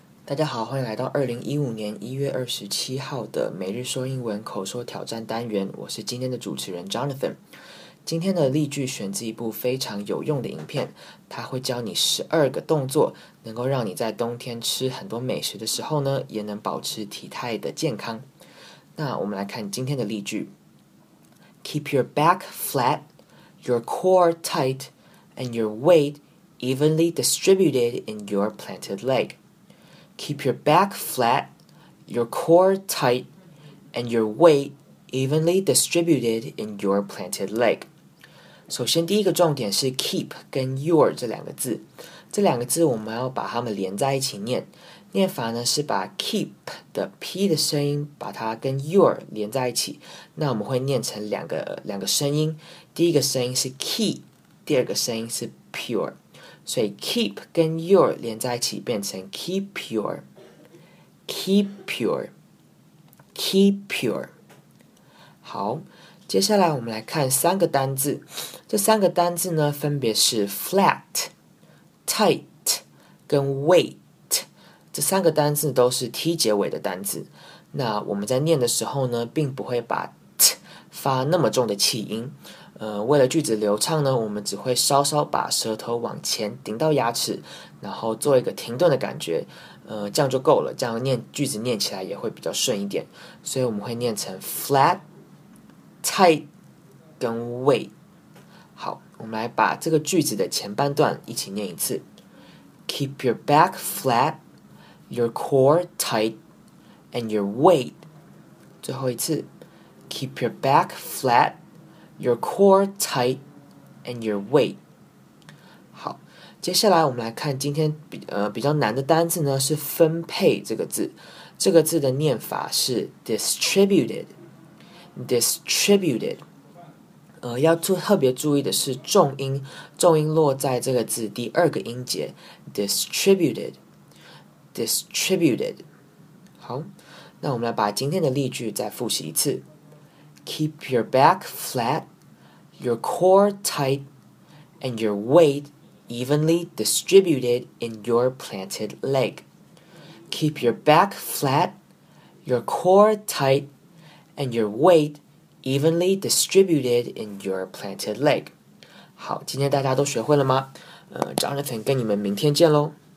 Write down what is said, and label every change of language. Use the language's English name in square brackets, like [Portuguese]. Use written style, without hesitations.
[Chinese] 大家好，欢迎来到2015年1月27号的每日说英文口说挑战单元，我是今天的主持人 Jonathan。今天的例句选自一部非常有用的影片，它会教你12个动作，能够让你在冬天吃很多美食的时候呢，也能保持体态的健康。那我们来看今天的例句。 [English] Keep your back flat, your core tight, and your weight evenly distributed in your planted leg. Keep your back flat, your core tight, and your weight evenly distributed in your planted leg. [Chinese] 首先第一个重点是 keep 跟 your 这两个字。这两个字我们要把它们连在一起念。念法呢是把 keep 的 p 的声音把它跟 your 连在一起。那我们会念成两个声音。第一个声音是 key, 第二个声音是 pure。所以 keep 跟 your 连在一起变成 keep pure, keep pure, keep pure。好，接下来我们来看三个单字，这三个单字呢分别是 flat, tight 跟 weight。这三个单字都是 T 结尾的单字，那我们在念的时候呢并不会把 T 发那么重的气音，为了句子流畅呢，我们只会稍稍把舌头往前顶到牙齿，然后做一个停顿的感觉，这样就够了，这样念句子念起来也会比较顺一点。所以我们会念成 flat, tight, 跟 weight。好，我们来把这个句子的前半段一起念一次。 [English] Keep your back flat, your core tight, and your weight。 [Chinese] 最后一次。 [English] Keep your back flatYour core tight and your weight。 [Chinese] 好，接下来我们来看今天 比较难的单字呢，是分配这个字。这个字的念法是 distributed, distributed。要特别注意的是重音落在这个字第二个音节 distributed, distributed。好，那我们来把今天的例句再复习一次。 [English] Keep your back flatYour core tight, and your weight evenly distributed in your planted leg. Keep your back flat, your core tight, and your weight evenly distributed in your planted leg. [Chinese] 好，今天大家都学会了吗？Jonathan 跟你们明天见咯。